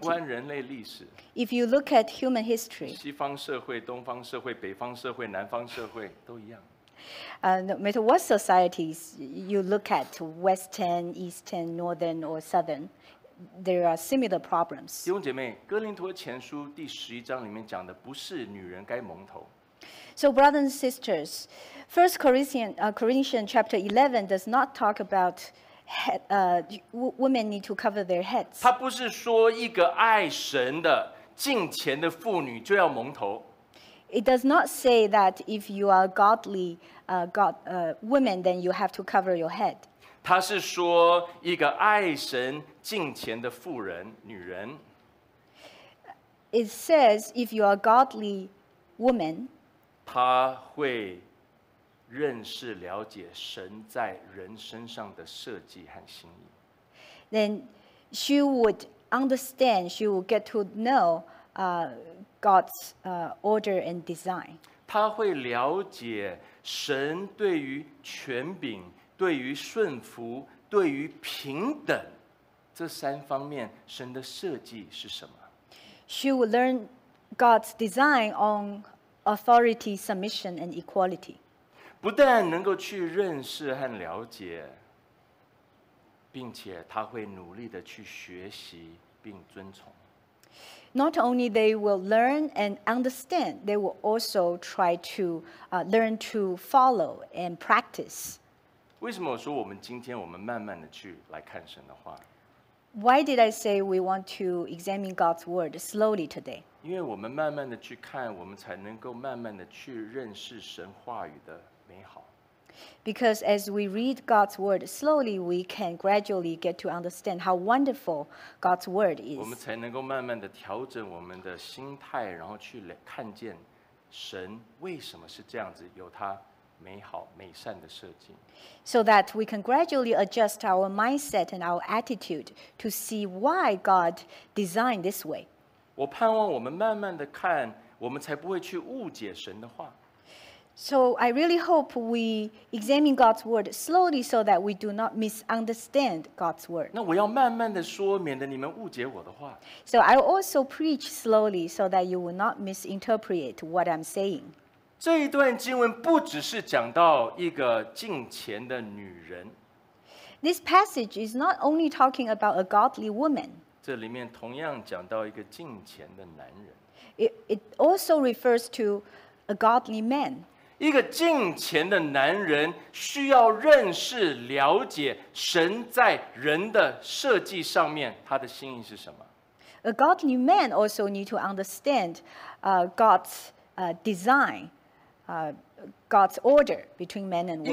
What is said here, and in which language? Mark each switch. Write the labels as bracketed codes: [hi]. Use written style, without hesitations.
[zh] 纵观人类历史 [en] If you look at human history, [zh] 西方社会、东方社会、北方社会、南方社会都一样 [en] No matter what societies you look at, Western, Eastern, Northern, or Southern, there are similar problems. [zh] 弟兄姐妹，哥林陀前书第十一章里面讲的不是女人该蒙头。 [en] So, brothers and sisters, 1 Corinthians chapter 11 does not talk about women need to cover their heads. [zh] 他不是说一个爱神的敬虔的妇女就要蒙头。 [en] It does not say that if you are godly, woman, then you have to cover your head. [zh] 他是说一个爱神敬虔的妇人，女人。 [en] It says if you are godly woman, [zh] 他会认识了解神在人身上的设计和心意。 [en] Then she would understand, she would get to know, God's order and design. [zh] 他会了解神对于权柄、对于顺服、对于平等这三方面神的设计是什么。 [en] She would learn God's design on authority, submission, and equality. [zh] 不但能够去认识和了解，并且他会努力的去学习并遵从。 [en] Not only they will learn and understand, they will also try to learn to follow and practice. [zh] 为什么我说我们今天我们慢慢的去来看神的话？ [en] Why did I say we want to examine God's word slowly today? [zh] 因为我们慢慢的去看，我们才能够慢慢的去认识神话语的美好。 [en] Because as we read God's word slowly, we can gradually get to understand how wonderful God's word is. [zh] 我们才能够慢慢的调整我们的心态，然后去看见神为什么是这样子，有他美好美善的设计。 [en] So that we can gradually adjust our mindset and our attitude to see why God designed this way. [zh] 我盼望我们慢慢的看，我们才不会去误解神的话。 [en] So I really hope we examine God's word slowly so that we do not misunderstand God's word. [zh] 那我要慢慢的说，免得你们误解我的话。 [en] So I also preach slowly so that you will not misinterpret what I'm saying. [zh] 这一段经文不只是讲到一个敬虔的女人。 [en] This passage is not only talking about a godly woman. [zh] 这里面同样讲到一个敬虔的男人。 [en] It also refers to a godly man. [zh] 一个敬虔的男人需要认识了解神在人的设计上面他的心意是什么。 [en] A godly man also need to understand God's design, God's order between man and woman.